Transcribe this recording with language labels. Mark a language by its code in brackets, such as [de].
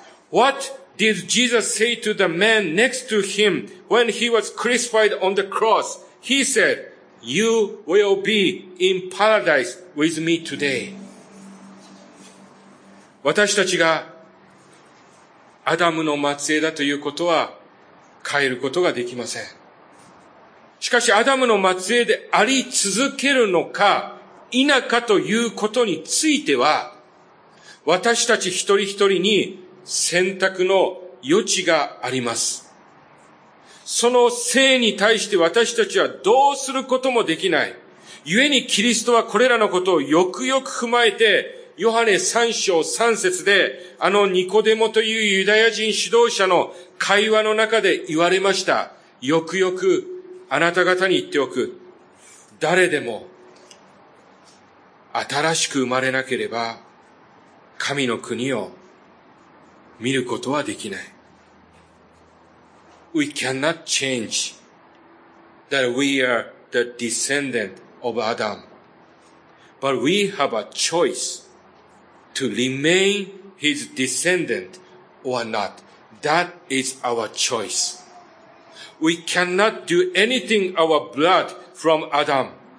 [en] What did Jesus say to the man next to him when he was crucified on the cross? He said, you will be in paradise with me today. [ja] 私たちがアダムの末裔だということは変えることができません。しかしアダムの末裔であり続けるのか否かということについては、私たち一人一人に選択の余地があります。その性に対して私たちはどうすることもできない。故にキリストはこれらのことをよくよく踏まえて、ヨハネ3章3節で、あのニコデモというユダヤ人指導者の会話の中で言われました。よくよくあなた方に言っておく。誰でも新しく生まれなければ、神の国を見ることはできない。 [en] We cannot change that we are the descendant of Adam. But we have a choice to remain his descendant or not. That is our choice. We cannot do anything our blood from Adam.